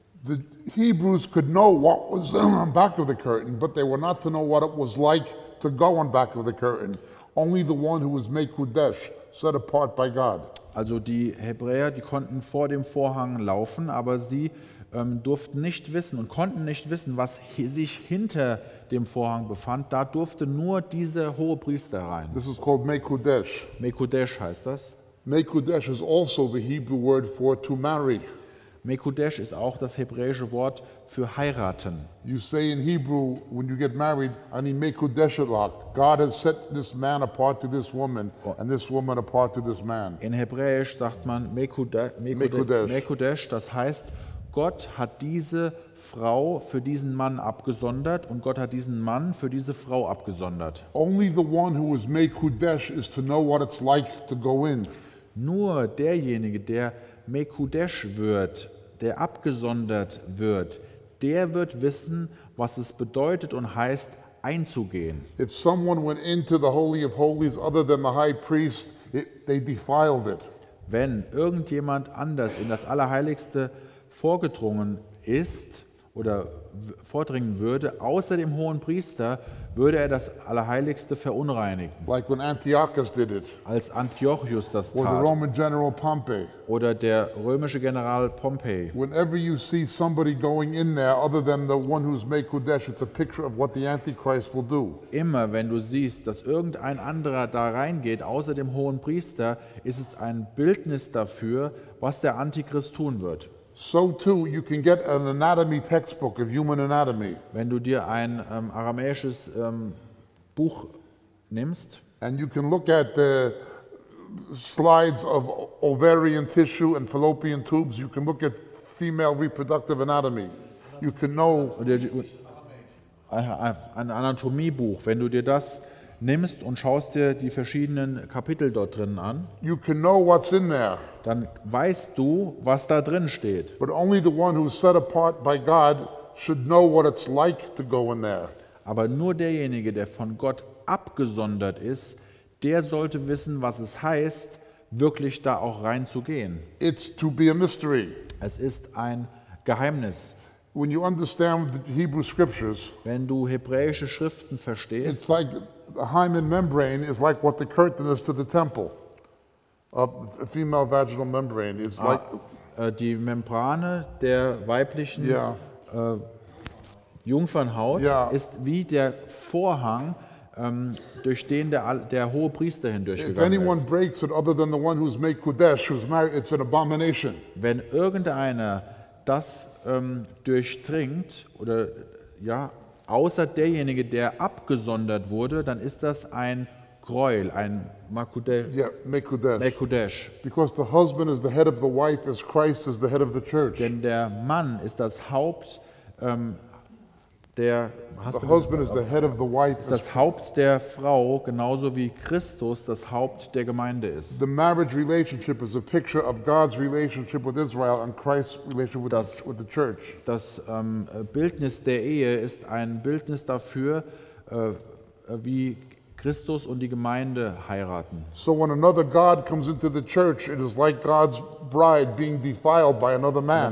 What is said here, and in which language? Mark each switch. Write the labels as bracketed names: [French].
[English] The Hebrews could know what was on back of the curtain, but they were not to know what it was like to go on back of the curtain. Only the one who was made kodesh, set apart by God. [German] Also die Hebräer, die konnten vor dem Vorhang laufen, aber sie durften nicht wissen und konnten nicht wissen, was sich hinter dem Vorhang befand. Da durfte nur dieser hohe Priester rein. [English] This is called Mekudesh. [German] Mekudesh heißt das. [English] Mekudesh is also the Hebrew word for to marry. [German] Mekudesh ist auch das hebräische Wort für heiraten. [English] You say in Hebrew, when you get married, [Hebrew] ani mekudeshelach. [English] God has set this man apart to this woman, and this woman apart to this man. [German] In Hebräisch sagt man Mekudesh. Das heißt, Gott hat diese Frau für diesen Mann abgesondert und Gott hat diesen Mann für diese Frau abgesondert. [English] Only the one who is mekudesh is to know what it's like to go in. [German] Nur derjenige, der Mekudesh wird, der abgesondert wird, der wird wissen, was es bedeutet und heißt, einzugehen. [English] If someone went into the Holy of Holies other than the high priest, they defiled it. [German] Wenn irgendjemand anders in das Allerheiligste vorgedrungen ist oder vordringen würde, außer dem hohen Priester, würde er das Allerheiligste verunreinigen. [English] Like when Antiochus did it. [German] Als Antiochus das tat. [English] Or the Roman General Pompey. [German] Oder der römische General Pompey. [English] Whenever you see somebody going in there, other than the one who's made Kodesh, it's a picture of what the Antichrist will do. [German] Immer wenn du siehst, dass irgendein anderer da reingeht, außer dem hohen Priester, ist es ein Bildnis dafür, was der Antichrist tun wird. [English] So too, you can get an anatomy textbook of human anatomy. [German] Wenn du dir ein aramäisches Buch nimmst, [English] and you can look at the slides of ovarian tissue and fallopian tubes, you can look at female reproductive anatomy. You can know. [German] Ein Anatomiebuch, wenn du dir das nimmst und schaust dir die verschiedenen Kapitel dort drinnen an, [English] you can know what's in there. [German] Dann weißt du, was da drin steht. [English] But only the one who is set apart by God should know what it's like to go in there. [German] Aber nur derjenige, der von Gott abgesondert ist, der sollte wissen, was es heißt, wirklich da auch reinzugehen. [English] It's to be a mystery. [German] Es ist ein Geheimnis. [English] When you understand the Hebrew scriptures, [German] wenn du hebräische Schriften verstehst, [English] it's like the hymen membrane is like what the curtain is to the temple. A female vaginal membrane is like [German] die Membrane der weiblichen Jungfernhaut ist wie der Vorhang, durch den der hohe Priester hindurchgegangen ist. [English] If anyone breaks it other than the one who's made kodesh, who's married, it's an abomination. [German] Wenn irgendeiner das durchdringt oder außer derjenige, der abgesondert wurde, dann ist das ein Gräuel, ein Mekudesh. [English] Because the husband is the head of the wife, as Christ is the head of the church. [German] Denn der Mann ist das Haupt der. [English] The husband is the head of the wife. [German] Ist das Haupt der Frau, genauso wie Christus das Haupt der Gemeinde ist. [English] The marriage relationship is a picture of God's relationship with Israel and Christ's relationship with the church. [German] Das Bildnis der Ehe ist ein Bildnis dafür, wie Christus und die Gemeinde heiraten. [English] So when another god comes into the church, it is like God's bride being defiled by another man.